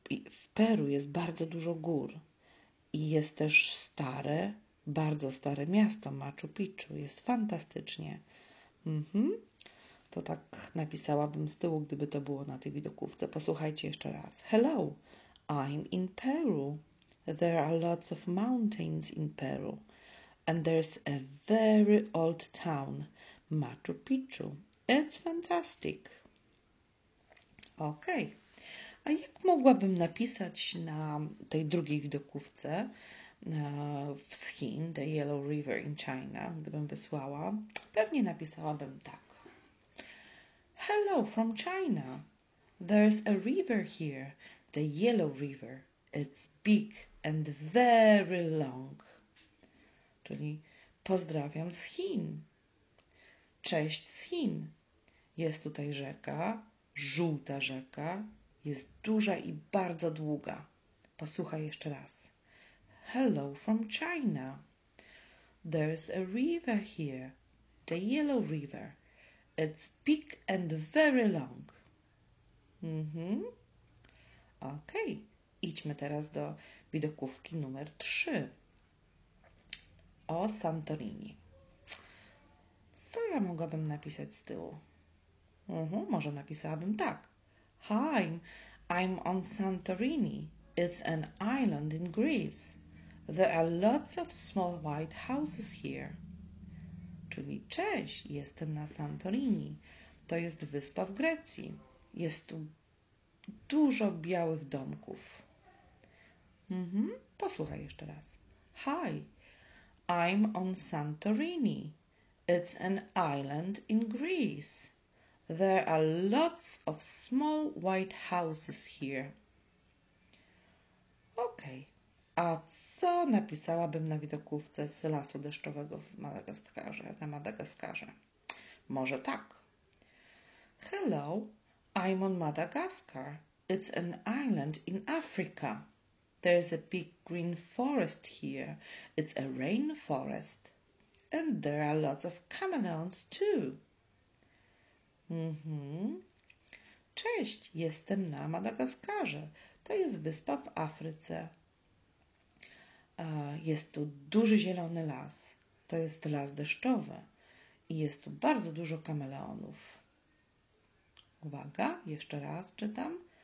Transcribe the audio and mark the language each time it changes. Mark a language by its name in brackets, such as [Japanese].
[Polish] W Peru jest bardzo dużo gór i jest też stare, bardzo stare miasto Machu Picchu. Jest fantastycznie. To tak napisałabym z tyłu, gdyby to było na tej widokówce. Posłuchajcie jeszcze raz. [English] Hello, I'm in Peru. There are lots of mountains in Peru. And there's a very old town, Machu Picchu. It's fantastic. Okej. Okay. [Polish] A jak mogłabym napisać na tej drugiej widokówce z Chin, [English] The Yellow River in China, [Polish] gdybym wysłała? Pewnie napisałabym tak. [English] Hello from China. There's a river here, the Yellow River. It's big and very long. [Polish] Czyli pozdrawiam z Chin. Cześć z Chin. Jest tutaj rzeka, żółta rzeka. Jest duża i bardzo długa. Posłuchaj jeszcze raz. [English] Hello from China. There's a river here. The Yellow River. It's big and very long. Okej. Okay. [Polish] Idźmy teraz do widokówki numer 3. O Santorini. Co ja mogłabym napisać z tyłu? Może napisałabym tak. [English] Hi, I'm on Santorini. It's an island in Greece. There are lots of small white houses here. [Polish] Czyli cześć, jestem na Santorini. To jest wyspa w Grecji. Jest tu dużo białych domków. Posłuchaj jeszcze raz. [English] Hi, I'm on Santorini. It's an island in Greece. There are lots of small white houses here. Okej. Okay. [Polish] A co napisałabym na widokówce z lasu deszczowego w Madagaskarze, na Madagaskarze? Może tak. [English] Hello, I'm on Madagascar. It's an island in Africa. There's a big green forest here. It's a rainforest. And there are lots of chameleons too. [Polish] Cześć, jestem na Madagaskarze. To jest wyspa w Afryce. Jest tu duży zielony las. To jest las deszczowy. I jest tu bardzo dużo kameleonów. Uwaga, jeszcze raz czytam.